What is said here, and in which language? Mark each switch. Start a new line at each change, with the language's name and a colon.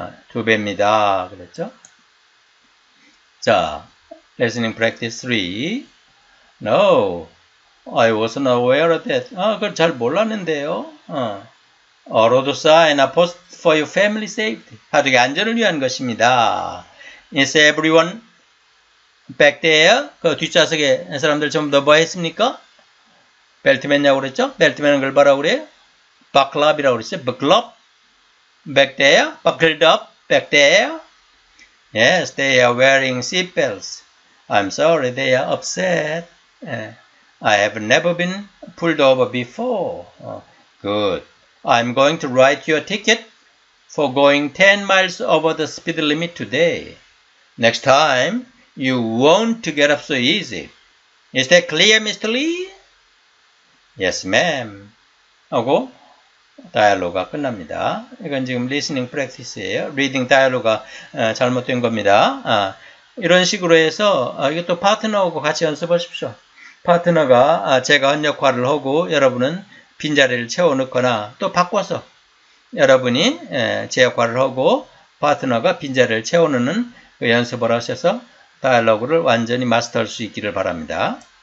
Korean: 두 배입니다. 그랬죠? 자,
English: listening practice 3. No, I wasn't aware of that.
Korean: 그걸 잘 몰랐는데요.
English: A road sign, a post for your family safety.
Korean: 가족의 안전을 위한 것입니다.
English: Is everyone back there?
Korean: 그 뒷좌석에 사람들 전부 다 뭐 했습니까? 벨트 맸냐고 그랬죠? 벨트 매는 걸 뭐라고 그래요?
English: Buckle up이라고
Korean: 그랬어요.
English: Buckle up. Back there? Buckled up. Back there? Yes, they are wearing seatbelts. I'm sorry, they are upset. I have never been pulled over before. Good. I'm going to write you a ticket for going 10 miles over the speed limit today. Next time, you won't get up so easy. Is that clear, Mr. Lee? Yes, ma'am.
Korean: 하고 다이얼로그가 끝납니다. 이건 지금 리스닝 프랙티스예요. 리딩 다이얼로그가 잘못된 겁니다. 이런 식으로 해서 이것도 파트너하고 같이 연습하십시오. 파트너가 제가 한 역할을 하고 여러분은 빈자리를 채워넣거나 또 바꿔서 여러분이 제 역할을 하고 파트너가 빈자리를 채워넣는 그 연습을 하셔서 다이얼로그를 완전히 마스터할 수 있기를 바랍니다.